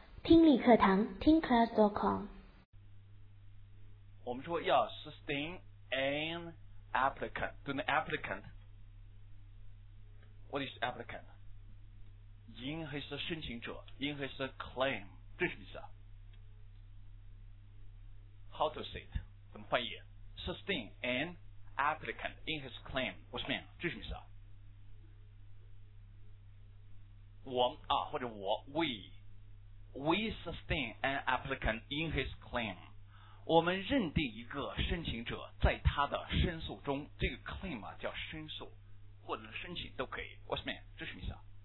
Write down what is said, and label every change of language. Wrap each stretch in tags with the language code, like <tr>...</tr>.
<zh>听力课堂，听 class.com。我们说要</zh> <en>sustain an applicant，</en> <zh>对那</zh> <en>applicant， what is applicant？</en> <zh>应该是申请者，应该是 claim， 这是意思啊。</zh> <en>How to say it？</en> <zh>怎么翻译</zh> <en>？Sustain an applicant in his claim，</en> <zh>我什么呀？这是意思啊。我啊，或者我</zh> <en>we sustain an applicant in his claim，</en> <zh>我们认定一个申请者在他的申诉中，这个 claim 啊叫申诉或者申请都可以。</zh> <en>What's mean？</en> <zh>这是什么意思啊？</zh>